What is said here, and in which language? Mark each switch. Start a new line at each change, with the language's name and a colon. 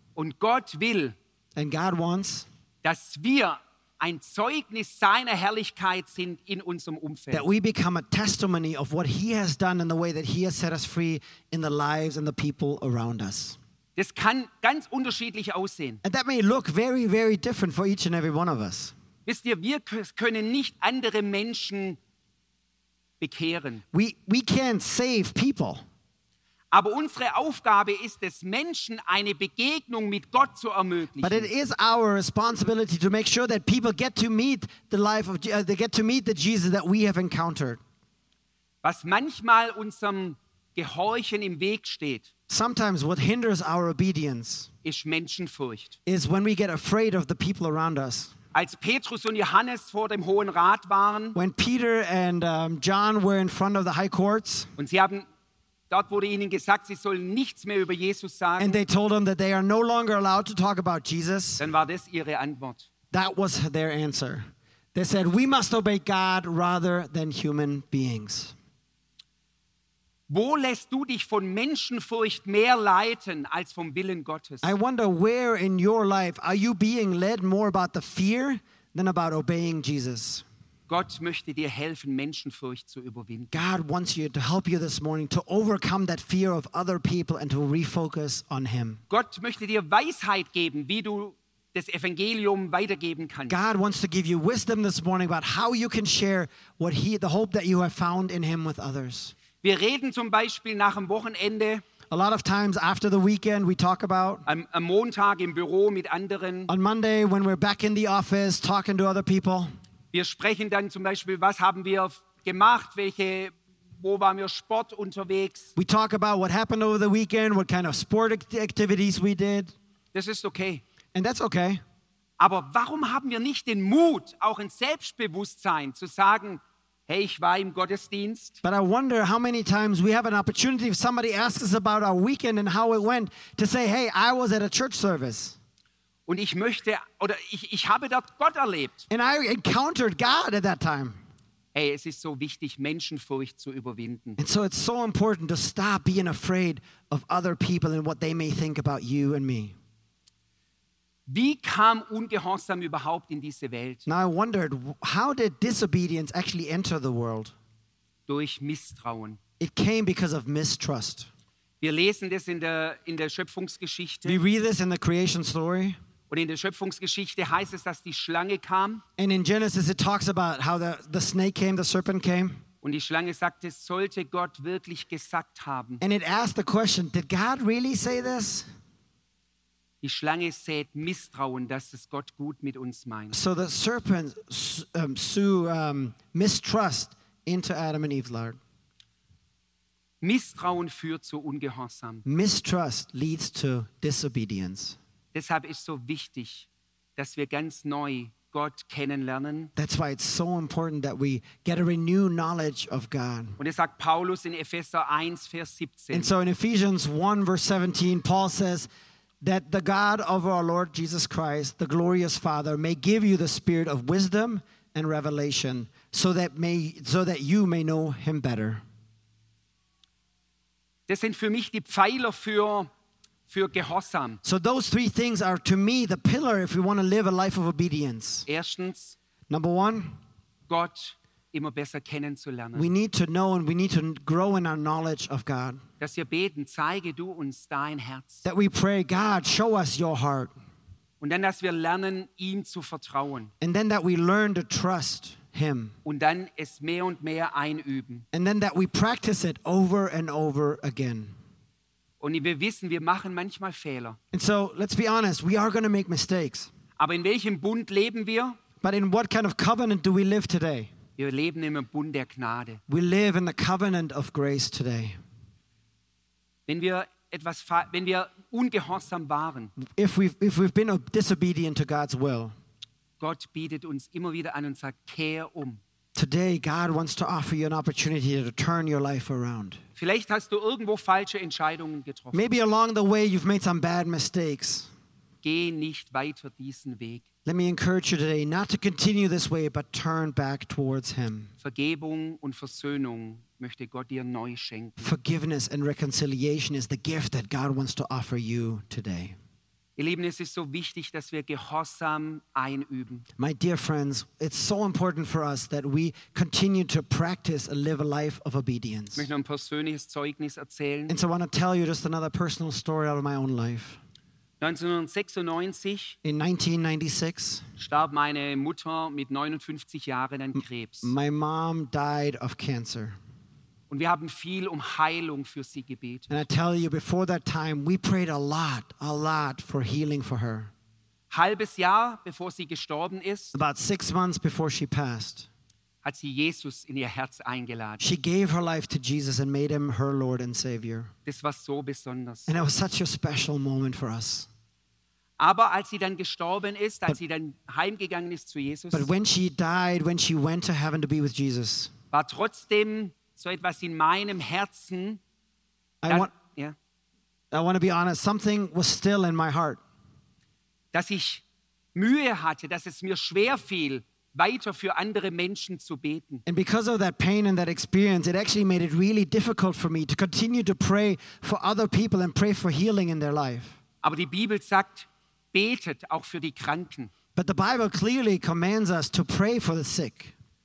German: Und Gott will,
English: and God wants,
German: dass wir ein Zeugnis seiner Herrlichkeit sind in unserem Umfeld.
English: That we become a testimony of what he has done in the way that he has set us free in the lives and the people around us.
German: Das kann ganz unterschiedlich aussehen.
English: And that may look very, very different for each and every one of us.
German: Wisst ihr, wir können nicht andere Menschen bekehren.
English: We can't save people.
German: Aber unsere Aufgabe ist es, Menschen eine Begegnung mit Gott zu ermöglichen.
English: But it is our responsibility to make sure that people get to meet the life of they get to meet the Jesus that we have encountered.
German: Was manchmal unserem Gehorchen im Weg steht.
English: Sometimes what hinders our obedience
German: ist Menschenfurcht.
English: Is when we get afraid of the people around us.
German: Als Petrus und Johannes vor dem Hohen Rat waren.
English: When Peter and John were in front of the high courts.
German: Und sie haben dort wurde ihnen gesagt, sie sollen nichts mehr über Jesus sagen.
English: And they told them that they are no longer allowed to talk about Jesus.
German: Dann war das ihre Antwort.
English: That was their answer. They said, we must obey God rather than human beings.
German: Wo lässt du dich von Menschenfurcht mehr leiten als vom Willen Gottes?
English: I wonder where in your life are you being led more about the fear than about obeying Jesus?
German: Gott möchte dir helfen, Menschenfurcht zu überwinden.
English: God wants you to help you this morning to overcome that fear of other people and to refocus on him.
German: Gott möchte dir Weisheit geben, wie du das Evangelium weitergeben kannst.
English: God wants to give you wisdom this morning about how you can share what he, the hope that you have found in him with others.
German: Wir reden zum Beispiel nach dem Wochenende.
English: A lot of times after the weekend we talk about.
German: Am Montag im Büro mit anderen.
English: On Monday when we're back in the office talking to other people.
German: Wir sprechen dann zum Beispiel, was haben wir gemacht, welche, wo waren wir Sport unterwegs.
English: We talk about what happened over the weekend, what kind of sport activities we did.
German: Das ist okay.
English: And that's okay.
German: Aber warum haben wir nicht den Mut, auch ein Selbstbewusstsein zu sagen, hey, ich war im Gottesdienst.
English: But I wonder how many times we have an opportunity, if somebody asks us about our weekend and how it went, to say, hey, I was at a church service.
German: Und ich möchte, oder ich habe dort Gott erlebt.
English: And I encountered God at that time.
German: Hey, es ist so wichtig, Menschenfurcht zu überwinden.
English: And so it's so important to stop being afraid of other people and what they may think about you and me.
German: Wie kam Ungehorsam überhaupt in diese Welt?
English: Now I wondered, how did disobedience actually enter the world?
German: Durch Misstrauen.
English: It came because of mistrust.
German: Wir lesen das in der Schöpfungsgeschichte.
English: We read this in the creation story.
German: Und in der Schöpfungsgeschichte heißt es, dass die Schlange kam.
English: And in Genesis it talks about how the snake came, the serpent came.
German: Und die Schlange sagte, sollte Gott wirklich gesagt haben.
English: And it asked the question, did God really say this?
German: Die Schlange sät Misstrauen, dass es Gott gut mit uns meint.
English: So the serpent sowed mistrust into Adam and Eve's heart.
German: Misstrauen führt zu Ungehorsam.
English: Mistrust leads to disobedience.
German: Deshalb ist so wichtig, dass wir ganz neu Gott kennenlernen.
English: That's why it's so important that we get a renewed knowledge of God.
German: Und es sagt Paulus in Epheser 1, Vers 17.
English: And so in Ephesians 1, verse 17, Paul says that the God of our Lord Jesus Christ, the glorious Father, may give you the spirit of wisdom and revelation so that you may know him better.
German: Das sind für mich die Pfeiler für Gehorsam.
English: So those three things are to me the pillar if we want to live a life of obedience.
German: Erstens,
English: number one,
German: Gott immer besser kennenzulernen.
English: We need to know and we need to grow in our knowledge of God.
German: Dass wir beten, zeige du uns dein Herz.
English: That we pray, God, show us your heart.
German: Und dann, dass wir lernen, ihm zu vertrauen.
English: And then that we learn to trust him.
German: Und dann es mehr und mehr einüben.
English: And then that we practice it over and over again.
German: Und wir wissen, wir machen manchmal Fehler.
English: And so, let's be honest, we are going to make mistakes.
German: Aber in welchem Bund leben wir?
English: But in what kind of covenant do we live today?
German: Wir leben im Bund der Gnade.
English: We live in the covenant of grace today.
German: Wenn wir ungehorsam waren,
English: if we've been disobedient to God's will,
German: Gott bietet uns immer wieder an und sagt, kehr um.
English: Today, God wants to offer you an opportunity to turn your life around.
German: Vielleicht hast du irgendwo falsche Entscheidungen getroffen.
English: Maybe along the way you've made some bad mistakes.
German: Geh nicht weiter diesen Weg.
English: Let me encourage you today not to continue this way, but turn back towards him.
German: Vergebung und Versöhnung möchte Gott dir neu schenken.
English: Forgiveness and reconciliation is the gift that God wants to offer you today.
German: Ihr Lieben, es ist so wichtig, dass wir Gehorsam einüben.
English: My dear friends, it's so important for us that we continue to practice and live a life of obedience.
German: Ich möchte noch ein persönliches Zeugnis erzählen.
English: And so I want to tell you just another personal story out of my own life.
German: 1996,
English: in 1996
German: starb meine Mutter mit 59 Jahren an Krebs.
English: My mom died of cancer.
German: Und wir haben viel um Heilung für sie gebetet.
English: And I tell you, before that time, we prayed a lot for healing for her.
German: Halbes Jahr, bevor sie gestorben ist,
English: about 6 months before she passed,
German: hat sie Jesus in ihr Herz eingeladen.
English: She gave her life to Jesus and made him her Lord and Savior.
German: Das war so besonders.
English: And it was such a special moment for us.
German: Aber als sie dann gestorben ist, als sie dann heimgegangen ist zu Jesus,
English: but when she died, when she went to heaven to be with Jesus,
German: war trotzdem so etwas in meinem Herzen.
English: I want to be honest. Something was still in my heart.
German: Dass ich Mühe hatte, dass es mir schwer fiel, weiter für andere Menschen zu beten.
English: And because of that pain and that experience, it actually made it really difficult for me to continue to pray for other people and pray for healing in their life.
German: Aber die Bibel sagt, betet auch für die Kranken.
English: But the Bible clearly commands us to pray for the sick.